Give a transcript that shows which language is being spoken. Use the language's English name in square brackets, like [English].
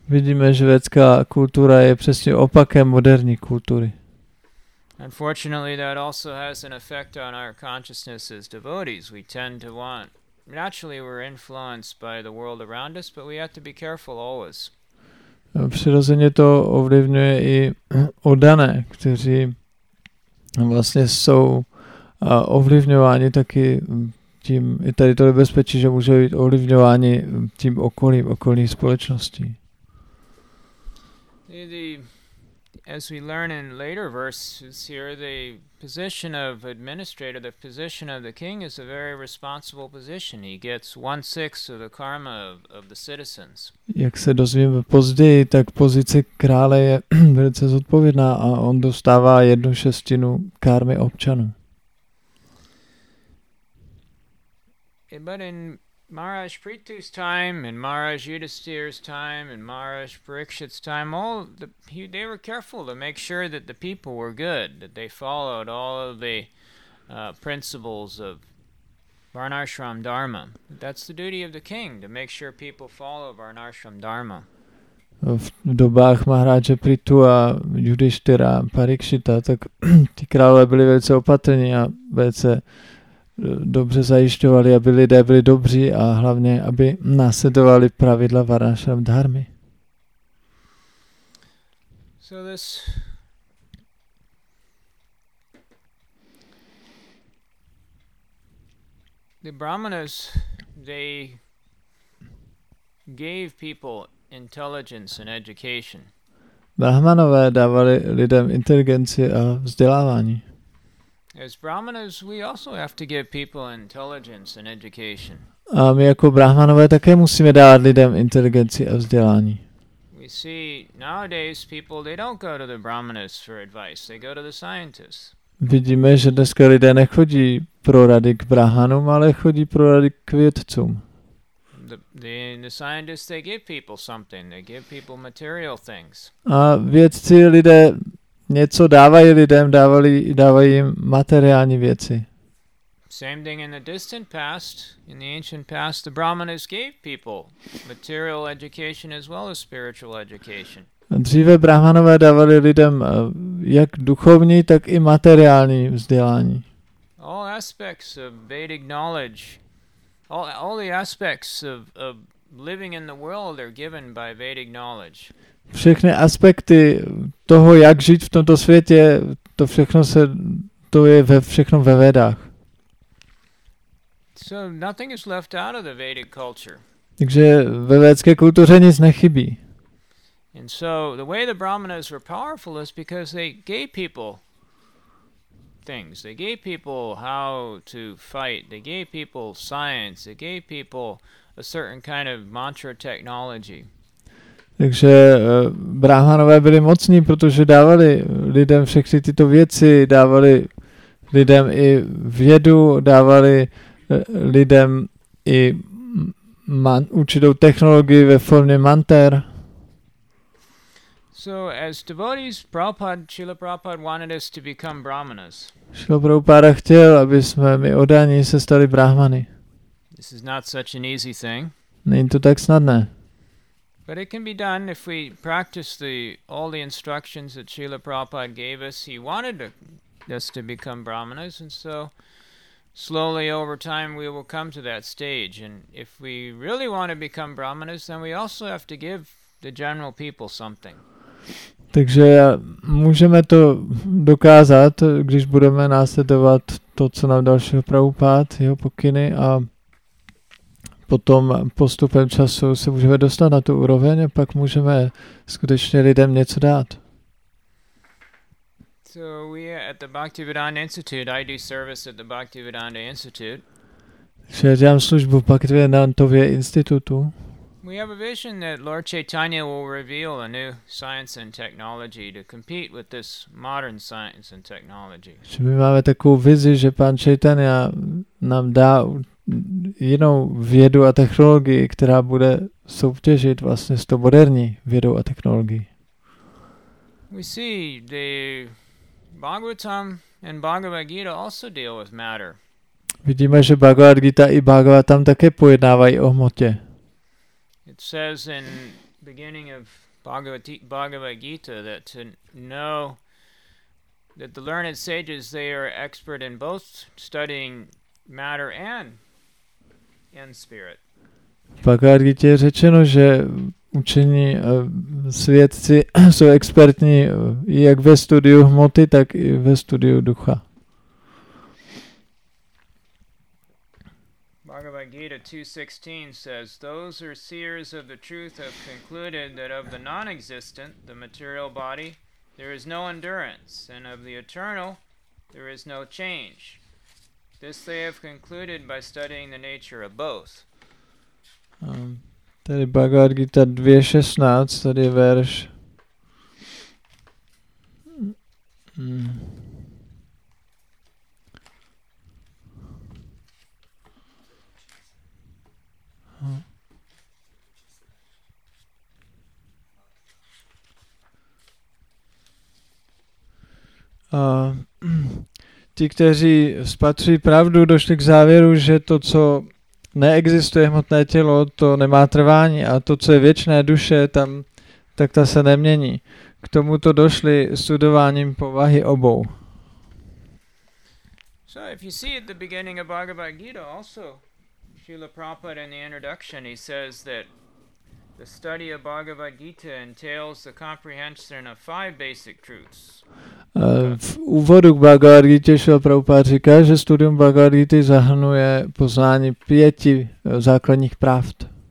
[Czech] Vidíme, že vědecká kultura je přesně opakem moderní kultury. [English] Unfortunately, that also has an effect on our consciousness as devotees. We tend to want, naturally we're influenced by the world around us, but we have to be careful always. [Czech] Přirozeně to ovlivňuje i oddané, kteří vlastně jsou ovlivňováni taky tím, i tady to nebezpečí, že může být ovlivňování tím okolím, okolí společnosti. [English] As we learn in later verses here, the position of administrator, the position of the king is a very responsible position. He gets 1/6 of the karma of the citizens. [Czech] Jak se dozvíme později, tak pozice krále je velice zodpovědná a on dostává 1/6 karmy občanů. [English] But in Maharaj Prithu's time, in Maharaj Yudhisthira's time, in Maharaj Parikshit's time, all they were careful to make sure that the people were good, that they followed all of the principles of Varnashram Dharma. That's the duty of the king, to make sure people follow Varnashram Dharma. [Czech] V dobách Maharaja Prithu a Yudhisthira Parikshita, tak ti králové byli velice opatrní a velice dobře zajišťovali, aby lidé byli dobří a hlavně, aby následovali pravidla Varnashram Dharmy. [English] So this the Brahmanas, they gave people intelligence and education. [Czech] Brahmanové dávali lidem inteligenci a vzdělávání. [English] As Brahmanas, we also have to give people intelligence and education. [Czech] A my jako Brahmanové také musíme dát lidem inteligenci a vzdělání. [English] We see nowadays people, they don't go to the Brahmanas for advice, they go to the scientists. [Czech] Vidíme, že dneska lidé nechodí pro rady k Brahmanům, ale chodí pro rady k vědcům. [English] The scientists, they give people something, they give people material things. [Czech] A vědci lidé něco dávají lidem, dávají jim materiální věci. [English] Same thing in the distant past, in the ancient past, the Brahmanas gave people material education as well as spiritual education. [Czech] Dříve Brahmanové dávali lidem jak duchovní, tak i materiální vzdělání. [English] All aspects of Vedic knowledge, all the aspects of living in the world are given by Vedic knowledge. [Czech] Všechny aspekty toho, jak žít v tomto světě, to všechno se, to je ve všechno ve Vedách. [English] So nothing is left out of the Vedic culture. [Czech] Takže ve védské kultuře nic nechybí. [English] And so the way the Brahmanas were powerful is because they gave people things. They gave people how to fight. They gave people science. They gave people a certain kind of mantra technology. [Czech] Takže Brahmanové byli mocní, protože dávali lidem všechny tyto věci, dávali lidem i vědu, dávali lidem i určitou technologii ve formě mantr. [English] So as devotees, Prabhupada, Srila Prabhupada wanted us to become Brahmanas. [Czech] Srila Prabhupada chtěl, aby jsme my oddaní se stali Brahmany. [English] This is not such an easy thing. [Czech] Není to tak snadné. [English] But it can be done if we practice all the instructions that Srila Prabhupada gave us. He wanted us to become Brahmanas, and so slowly over time we will come to that stage. And if we really want to become Brahmanas, then we also have to give the general people something. [Czech] Takže můžeme to dokázat, když budeme následovat to, co nám dal Šíla Prabhupáda, jeho pokyny, a potom postupem času se můžeme dostat na tu úroveň a pak můžeme skutečně lidem něco dát. [English] So we at the Bhaktivedanta Institute, I do service at the Bhaktivedanta Institute. [Czech] Takže já dělám službu Bhaktivedantově institutu. [English] We have a vision that Lord Chaitanya will reveal a new science and technology to compete with this modern science and technology. [Czech] My máme takovou vizi, že pan Chaitanya nám dá jinou vědu a technologii, která bude soutěžit vlastně s tou moderní vědou a technologií. [English] We see the Bhagavatam and Bhagavad Gita also deal with matter. [Czech] Vidíme, že Bhagavad Gita i Bhagavatam také pojednávají o hmotě. [English] It says in the beginning of Bhagavad Gita that to know that the learned sages, they are expert in both studying matter and spirit. [Czech] V Bhagavad Gita je řečeno, že učení svědci jsou expertní jak ve studiu hmoty, tak i ve studiu ducha. [English] Bhagavad Gita 2:16 says, those who are seers of the truth have concluded that of the non-existent, the material body, there is no endurance, and of the eternal, there is no change. This they have concluded by studying the nature of both. [Czech] Tady Bhagavad Gita 2:16, tady je verš. Ti, kteří spatří pravdu, došli k závěru, že to, co neexistuje hmotné tělo, to nemá trvání, a to, co je věčné duše, tam, tak ta se nemění. K tomuto došli studováním povahy obou. [English] So if you see at the beginning of Bhagavad Gita also, Srila Prabhupada in the introduction, he says that the study of Bhagavad Gita entails the comprehension of five basic truths. [Czech] V úvodu k Bhagavad Gita Šíla Prabhupáda říká, že studium Bhagavad Gita zahrnuje poznání pěti základních pravd.